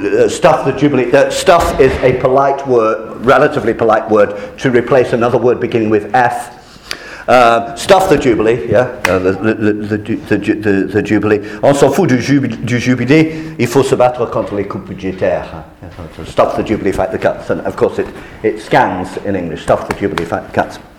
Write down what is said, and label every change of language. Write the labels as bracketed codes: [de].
[en] Stuff is a polite word, relatively polite word, to replace another word beginning with F. Stuff the Jubilee, yeah, the Jubilee. [fr] On s'en fout du Jubilee, il faut se battre contre les coupes budgétaires. [en] Stuff the Jubilee, fight the cuts. And of course it scans in English, stuff the Jubilee, fight the cuts.